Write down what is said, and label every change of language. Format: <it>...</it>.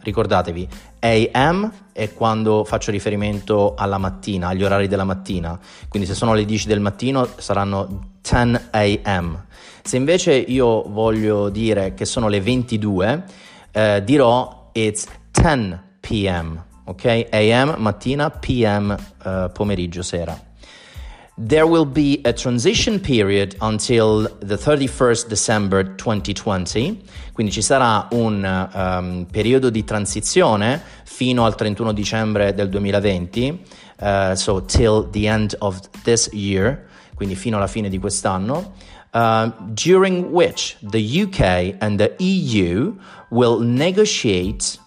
<it>Ricordatevi, a.m. è quando faccio riferimento alla mattina, agli orari della mattina, quindi se sono le 10 del mattino saranno 10 a.m. Se invece io voglio dire che sono le 22, dirò</it> <en>it's 10 p.m.</en> <it>ok, a.m. mattina, p.m. Pomeriggio, sera.</it> <en>There will be a transition period until the 31st December 2020.</en> <it>Quindi ci sarà un periodo di transizione fino al 31 dicembre del 2020,</it> <en>so till the end of this year,</en> <it>quindi fino alla fine di quest'anno,</it> <en>during which the UK and the EU will negotiate,</en>